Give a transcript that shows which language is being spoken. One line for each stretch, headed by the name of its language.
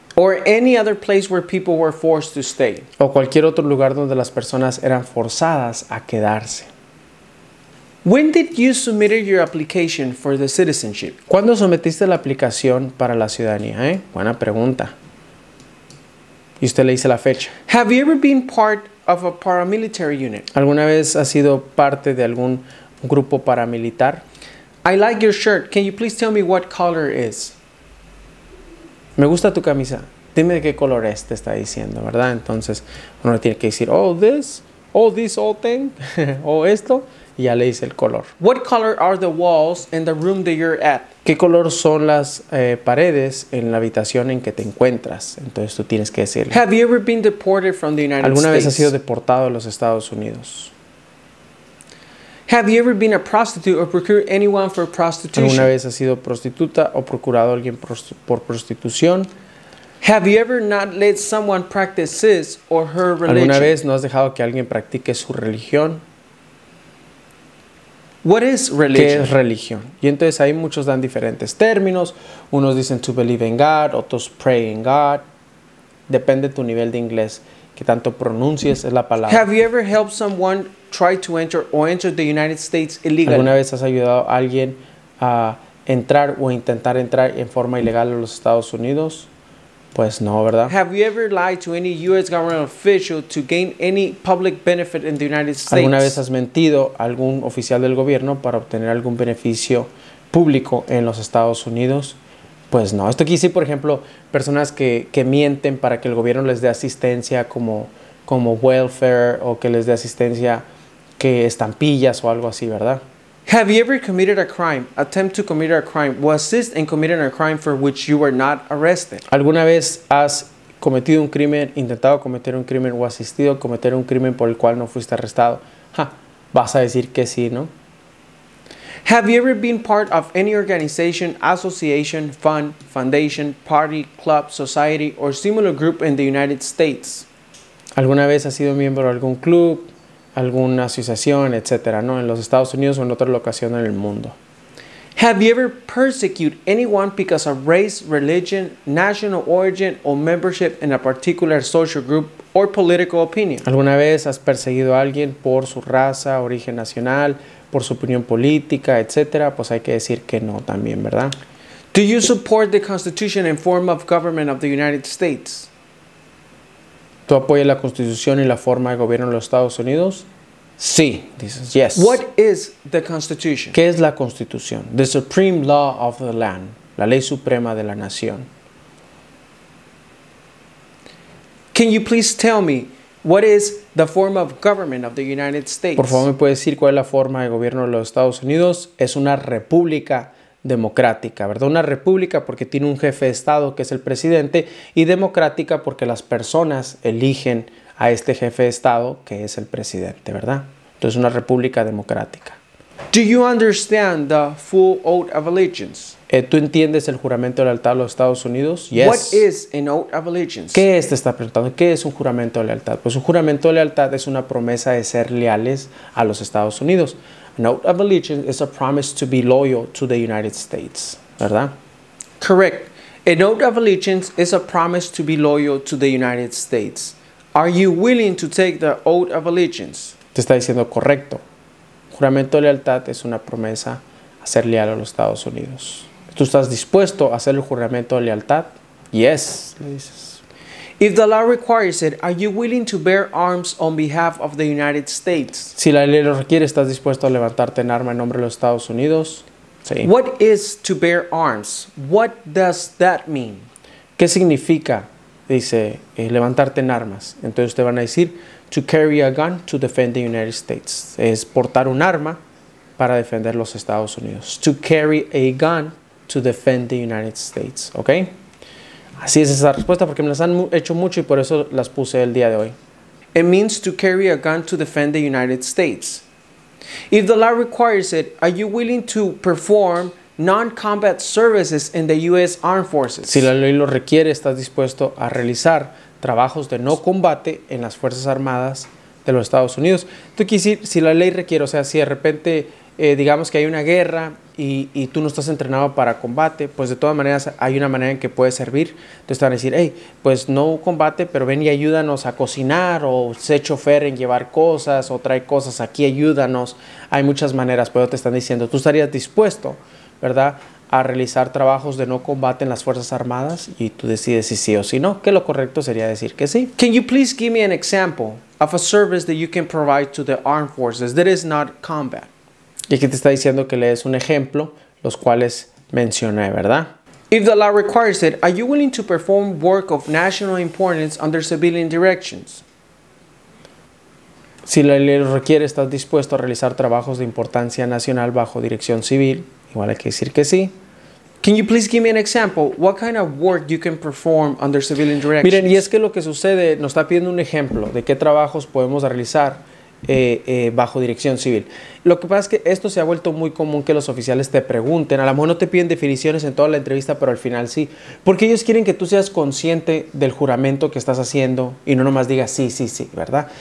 English: Or any other place where people were forced to stay.
Spanish: O cualquier otro lugar donde las personas eran forzadas a quedarse.
English: When did you submit your application for the citizenship?
Spanish: ¿Cuándo sometiste la aplicación para la ciudadanía? Buena pregunta. Y usted le dice la fecha.
English: Have you ever been part of a paramilitary unit?
Spanish: ¿Alguna vez has sido parte de algún grupo paramilitar?
English: I like your shirt. Can you please tell me what color is?
Spanish: Me gusta tu camisa. Dime de qué color es, te está diciendo, ¿verdad? Entonces, uno tiene que decir,
English: oh, this, oh, this old thing,
Spanish: oh, esto. Y ya le dice el color.
English: What color are the walls in the room that you're at?
Spanish: ¿Qué color son las paredes en la habitación en que te encuentras? Entonces tú tienes que decirle.
English: Have you ever been deported from the United
Spanish: ¿Alguna
English: States?
Spanish: ¿Alguna vez has sido deportado a los Estados Unidos?
English: Have you ever been a prostitute or procured anyone for prostitution?
Spanish: ¿Alguna vez has sido prostituta o procurado a alguien por prostitución?
English: Have you ever not let someone practice his or her religion?
Spanish: ¿Alguna vez no has dejado que alguien practique su religión?
English: What is religion?
Spanish: ¿Qué es religión? Y entonces ahí muchos dan diferentes términos. Unos dicen
English: to believe in God,
Spanish: otros
English: pray in God.
Spanish: Depende tu nivel de inglés, que tanto pronuncies es la palabra.
English: Have you ever helped someone try to enter or enter the United States illegally?
Spanish: ¿Alguna vez has ayudado a alguien a entrar o intentar entrar en forma ilegal a los Estados Unidos? Pues no, ¿verdad?
English: Have you ever lied to any U.S. government official to gain any public benefit in the United States?
Spanish: ¿Alguna vez has mentido a algún oficial del gobierno para obtener algún beneficio público en los Estados Unidos? Pues no. Esto aquí sí, por ejemplo, personas que mienten para que el gobierno les dé asistencia como welfare o que les dé asistencia que estampillas o algo así, ¿verdad?
English: Have you ever committed a crime, attempt to commit a crime, or assist in committing a crime for which you were not arrested?
Spanish: ¿Alguna vez has cometido un crimen, intentado cometer un crimen, o asistido a cometer un crimen por el cual no fuiste arrestado? Ja, vas a decir que sí, ¿no?
English: Have you ever been part of any organization, association, fund, foundation, party, club, society, or similar group in the United States?
Spanish: ¿Alguna vez has sido miembro de algún club, alguna asociación, etcétera, ¿no? En los Estados Unidos o en otra locación en el mundo.
English: Have you ever persecuted anyone because of race, religion, national origin, or membership in a particular social group or political opinion?
Spanish: ¿Alguna vez has perseguido a alguien por su raza, origen nacional, por su opinión política, etcétera? Pues hay que decir que no también, ¿verdad?
English: Do you support the Constitution and form of government of the United States?
Spanish: ¿Tú apoyas la Constitución y la forma de gobierno de los Estados Unidos? Sí, dices.
English: Yes. What is the Constitution?
Spanish: ¿Qué es la Constitución?
English: The supreme law of the land.
Spanish: La ley suprema de la nación.
English: Can you please tell me what is the form of government of the United States?
Spanish: Por favor, ¿me puedes decir cuál es la forma de gobierno de los Estados Unidos? Es una república democrática, ¿verdad? Una república porque tiene un jefe de Estado que es el presidente, y democrática porque las personas eligen a este jefe de Estado que es el presidente, ¿verdad? Entonces, una república democrática.
English: Do you understand the full oath of allegiance?
Spanish: ¿Tú entiendes el juramento de lealtad a los Estados Unidos?
English: Yes. What is an oath of allegiance?
Spanish: ¿Qué es, te está preguntando? ¿Qué es un juramento de lealtad? Pues un juramento de lealtad es una promesa de ser leales a los Estados Unidos.
English: An oath of allegiance is a promise to be loyal to the United States,
Spanish: ¿verdad?
English: Correct. An oath of allegiance is a promise to be loyal to the United States. Are you willing to take the oath of allegiance?
Spanish: Te está diciendo correcto. Juramento de lealtad es una promesa a ser leal a los Estados Unidos. ¿Tú estás dispuesto a hacer el juramento de lealtad?
English: Yes,
Spanish: le dices.
English: If the law requires it, are you willing to bear arms on behalf of the United States?
Spanish: Si la ley lo requiere, ¿estás dispuesto a levantarte en arma en nombre de los Estados Unidos? Sí.
English: What is to bear arms? What does that mean?
Spanish: ¿Qué significa? Dice, levantarte en armas. Entonces te van a decir,
English: to carry a gun to defend the United States.
Spanish: Es portar un arma para defender los Estados Unidos.
English: To carry a gun to defend the United States.
Spanish: ¿Ok? Así es esa respuesta porque me las han hecho mucho y por eso las puse el día de hoy.
English: It means to carry a gun to defend the United States. If the law requires it, are you willing to perform non-combat services in the U.S. Armed Forces?
Spanish: Si la ley lo requiere, ¿estás dispuesto a realizar trabajos de no combate en las Fuerzas Armadas de los Estados Unidos? Tú quieres decir, si la ley requiere, o sea, si de repente digamos que hay una guerra y tú no estás entrenado para combate, pues de todas maneras hay una manera en que puedes servir. Entonces te van a decir, hey, pues no combate, pero ven y ayúdanos a cocinar, o sé chofer en llevar cosas, o trae cosas aquí, ayúdanos. Hay muchas maneras, pero te están diciendo, tú estarías dispuesto, ¿verdad?, a realizar trabajos de no combate en las Fuerzas Armadas, y tú decides si sí o si no, que lo correcto sería decir que sí.
English: Can you please give me an example of a service that you can provide to the armed forces that is not combat?
Spanish: Y aquí te está diciendo que lees un ejemplo, los cuales mencioné, ¿verdad?
English: If the law requires it, are you willing to perform work of national importance under civilian directions?
Spanish: Si la ley lo requiere, ¿estás dispuesto a realizar trabajos de importancia nacional bajo dirección civil? Igual hay que decir que sí.
English: Can you please give me an example? What kind of work you can perform under civilian directions?
Spanish: Miren, y es que lo que sucede, nos está pidiendo un ejemplo de qué trabajos podemos realizar bajo dirección civil. Lo que pasa es que esto se ha vuelto muy común que los oficiales te pregunten. A lo mejor no te piden definiciones en toda la entrevista, pero al final sí. Porque ellos quieren que tú seas consciente del juramento que estás haciendo y no nomás digas sí, sí, sí, ¿verdad?